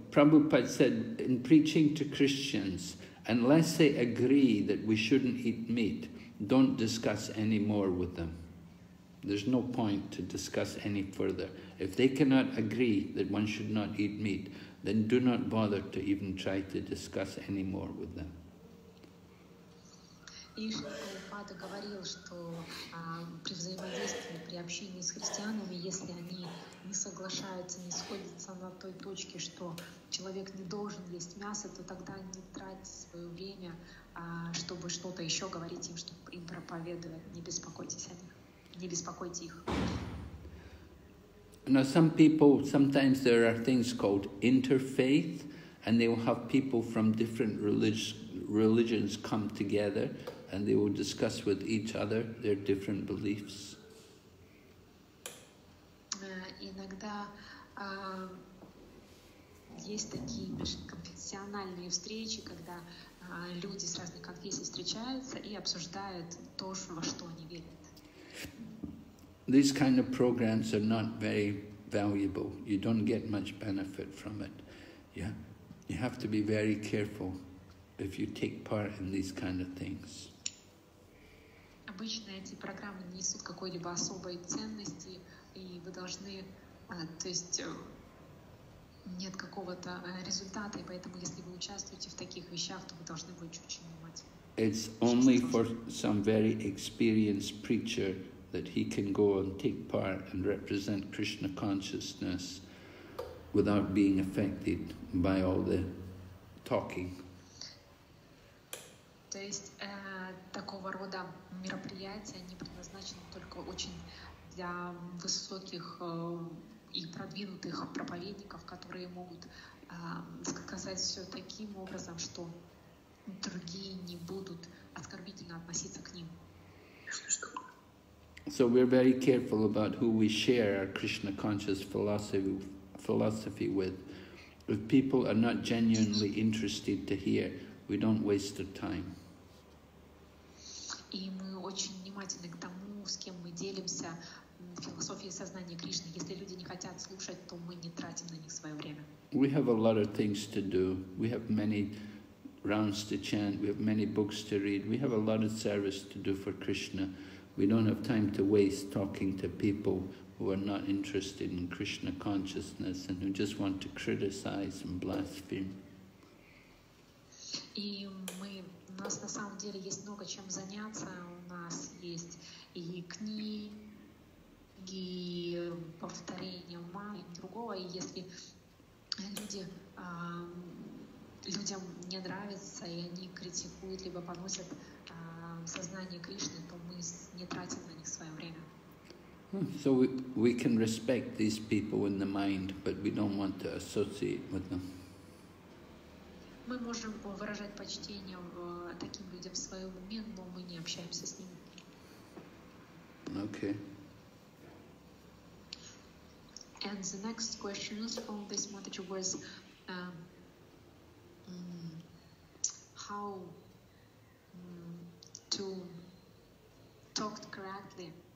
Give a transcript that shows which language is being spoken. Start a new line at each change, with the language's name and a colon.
English: Prabhupada said, in preaching to Christians, unless they agree that we shouldn't eat meat, don't discuss any more with them. There's no point to discuss any further. If they cannot agree that one should not eat meat, then do not bother to even try to discuss any more with them.
Russian: И Шилпада говорил, что при взаимодействии, при общении с христианами, если они не соглашаются, не сходятся на той точке, что человек не должен есть мясо, то тогда не тратьте свое время, чтобы что-то еще говорить им, чтобы им проповедовать. Не беспокойтесь о них. Не беспокойте их.
English: Now, some people, sometimes there are things called interfaith, and they will have people from different religions come together. And they will discuss with each other their different beliefs.
Russian: Иногда есть такие межконфессиональные встречи, когда люди с разных конфессий встречаются и обсуждают то, во что они верят.
English: These kind of programs are not very valuable. You don't get much benefit from it. Yeah, you have to be very careful if you take part in these kind of things.
Russian: Обычно эти программы несут какой-либо особой ценности, и вы должны, то есть нет какого-то результата, и поэтому, если вы участвуете в таких вещах, то вы должны быть очень внимательны.
English: It's only for some very experienced preacher that he can go and take part and represent Krishna consciousness without being affected by all the talking.
Russian: То есть такого рода мероприятия не предназначены только очень для высоких и продвинутых проповедников, которые могут сказать все таким образом, что другие не будут оскорбительно относиться к ним.
English: So we're very careful about who we share our Krishna conscious philosophy with. If people are not genuinely interested to hear, we don't waste their time.
Russian: И мы очень внимательны к тому, с кем мы делимся философией сознания Кришны. Если люди не хотят слушать, то мы не тратим на них свое время.
English: We have a lot of things to do. We have many rounds to chant. We have many books to read. We have a lot of service to do for Krishna. We don't have time to waste talking to people who are not interested in Krishna consciousness and who just want to criticize and blaspheme.
Russian: И мы У нас на самом деле есть много чем заняться. У нас есть и книги, и повторения ума, и другого. И если людям не нравится, и они критикуют, либо поносят сознание Кришны, то мы не тратим на них свое время.
English: So we can respect these people in the mind, but we don't want to associate with them.
Russian: Мы можем выражать почтение таким людям в своем уме, но мы не общаемся с ними.
English: Okay. And the next question from this Mataji was how to talk correctly